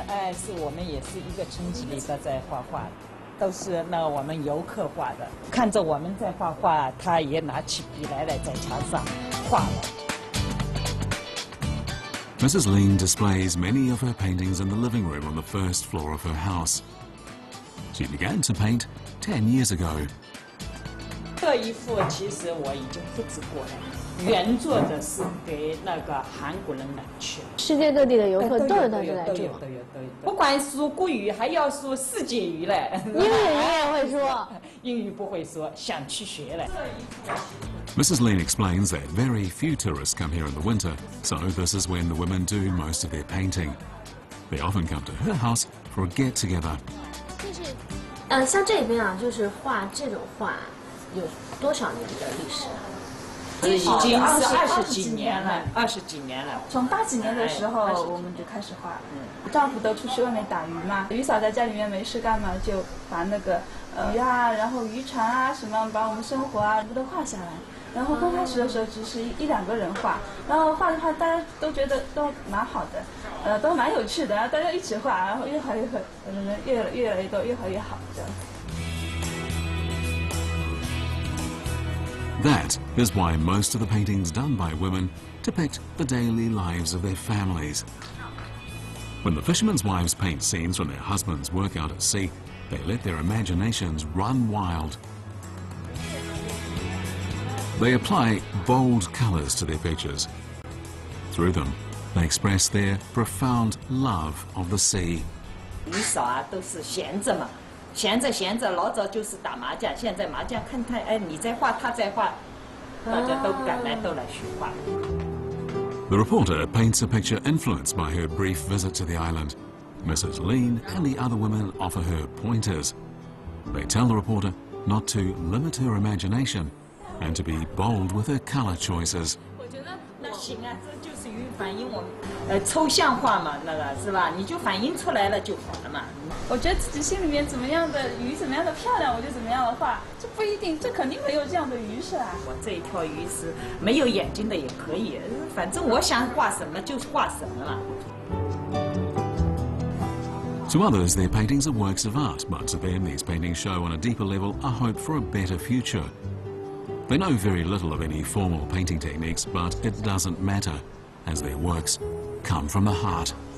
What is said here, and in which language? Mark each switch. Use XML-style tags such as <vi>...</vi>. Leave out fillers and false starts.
<zh>哎，是我们也是一个村子里的在画画，都是那我们游客画的。看着我们在画画，他也拿起笔来了，在墙上画了。</zh> <en>Mrs. Ling displays many of her paintings in the living room on the first floor of her house. She began to paint 10 years ago.</en> <zh>这一幅其实我已经复制过了，原作的是给那个韩国人来去。世界各地的游客都有到这来住，不管说国语，还要说世界语嘞。英语你也会说？英语不会说，想去学嘞。</zh> <en>Mrs. Lin explains that very few tourists come here in the winter, so this is when the women do most of their painting. They often come to her house for a get together.</en> <zh>就是，像这边啊，就是画这种画，有多少年的历史？已经是二十几年了，二十几年了。从八几年的时候，我们就开始画。嗯，丈夫都出去外面打鱼嘛，鱼嫂在家里面没事干嘛，就把那个鱼啊，然后渔船啊什么，把我们生活啊全部都画下来。然后刚开始的时候只是一两个人画，然后画的话大家都觉得都蛮好的，都蛮有趣的，大家一起画，然后越画越好，越来越多，越画越好的。</zh> <en>That is why most of the paintings done by women depict the daily lives of their families. When the fishermen's wives paint scenes from their husbands' work out at sea, they let their imaginations run wild. They apply bold colors to their pictures. Through them, they express their profound love of the sea.</en> <zh>鱼嫂啊，都是闲着嘛。闲着，老早就是打麻将。现在麻将看他，哎，你在画，他在画，大家都赶来，都来学画。</zh> <en>The reporter paints a picture influenced by her brief visit to the island. Mrs. Lin and the other women offer her pointers. They tell the reporter not to limit her imagination and to be bold with her color choices.</en> <zh>我觉得那行啊，这就是反映我们抽象化嘛，那个是吧？你就反映出来了就好了嘛。我觉得自己心里面怎么样的鱼，怎么样的漂亮，我就怎么样的画，这不一定，这肯定没有这样的鱼是吧？我这一条鱼是没有眼睛的也可以，反正我想画什么就画什么了。</zh> <en>To others, their paintings are works of art, but to them, these paintings show on a deeper level a hope for a better future. They know very little of any formal painting techniques, but it doesn't matter, as their works come from the heart.</en>